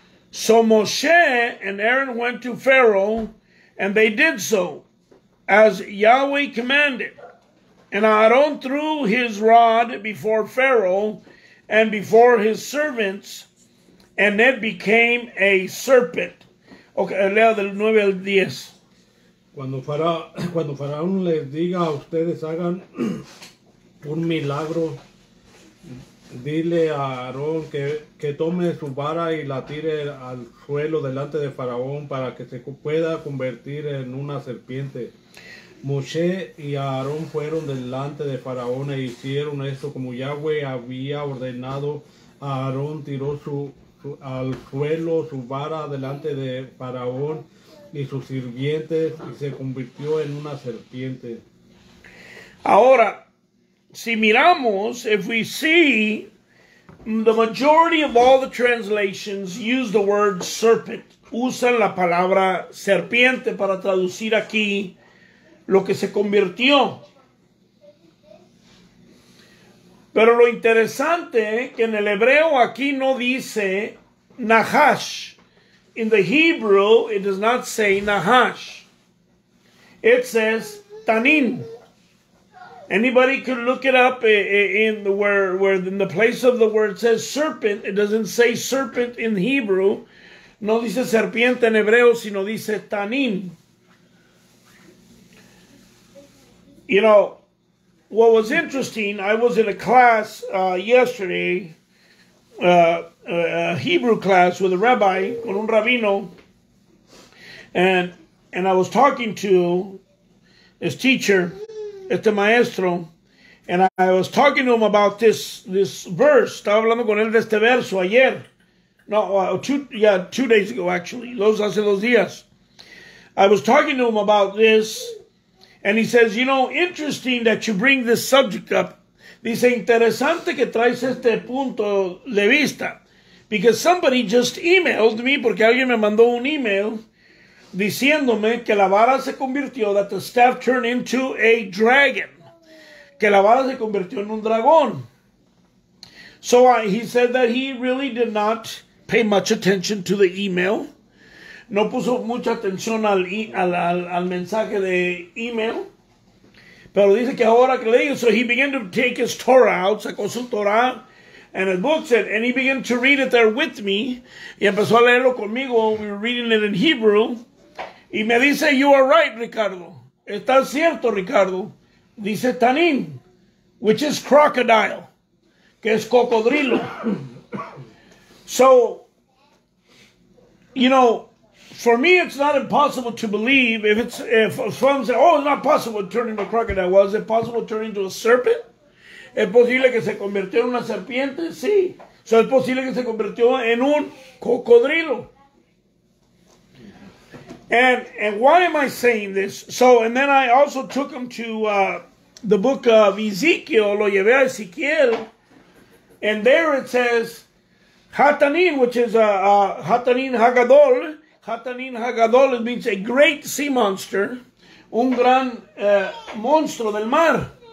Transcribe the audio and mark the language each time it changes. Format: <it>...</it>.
<en>So Moshe and Aaron went to Pharaoh, and they did so, as Yahweh commanded. And Aaron threw his rod before Pharaoh and before his servants, and it became a serpent.</en> <es>Okay, leo del 9 al 10. Cuando Faraón les diga a ustedes, hagan un milagro, dile a Aaron que tome su vara y la tire al suelo delante de Faraón para que se pueda convertir en una serpiente. Moshe y Aarón fueron delante de Faraón e hicieron esto como Yahweh había ordenado. Aarón tiró su al suelo su vara delante de Faraón y sus sirvientes y se convirtió en una serpiente. Ahora, si miramos,</es> <en>if we see, the majority of all the translations use the word serpent.</en> <es>Usan la palabra serpiente para traducir aquí lo que se convirtió. Pero lo interesante que en el hebreo aquí no dice Nahash.</es> <en>In the Hebrew, it does not say Nahash. It says Tanin. Anybody can look it up in the where in the place of the word says serpent. It doesn't say serpent in Hebrew.</en> <es>No dice serpiente en hebreo, sino dice Tanin.</es> <en>You know, what was interesting, I was in a class yesterday, a Hebrew class with a rabbi,</en> <es>con un rabino,</es> <en>and I was talking to his teacher,</en> <es>este maestro,</es> <en>and I was talking to him about this verse.</en> <es>Estaba hablando con él de este verso ayer.</es> <en>No, two days ago, actually.</en> <es>Hace dos días.</es> <en>I was talking to him about this. And he says, you know, interesting that you bring this subject up.</en> <es>Dice, interesante que traes este punto de vista.</es> <en>Because somebody just emailed me,</en> <es>porque alguien me mandó un email, diciéndome que la vara se convirtió,</es> <en>that the staff turned into a dragon.</en> <es>Que la vara se convirtió en un dragón.</es> <en>So he said that he really did not pay much attention to the email.</en> <es>No puso mucha atención al mensaje de email. Pero dice que ahora que le digo,</es> <en>so he began to take his Torah out,</en> <es>sacó su Torah,</es> <en>And the book said, and he began to read it there with me.</en> <es>Y empezó a leerlo conmigo.</es> <en>We were reading it in Hebrew.</en> <es>Y me dice,</es> <en>you are right, Ricardo.</en> <es>Estás cierto, Ricardo. Dice Tanin,</es> <en>which is crocodile,</en> <es>que es cocodrilo.</es> <en>So, you know, for me, it's not impossible to believe. If someone said, oh, it's not possible to turn into a crocodile. Well, is it possible to turn into a serpent?</en> <es>¿Es posible que se convirtió en una serpiente? Sí. So, ¿es posible que se convirtió en un cocodrilo?</es> <en>And why am I saying this? So, and then I also took him to the book of Ezekiel.</en> <es>Lo llevé a Ezequiel.</es> <en>And there it says, Hatanin, which is Hatanin Hagadol. Hatanin Hagadol, it means a great sea monster.</en> <es>Un gran monstruo del mar.</es>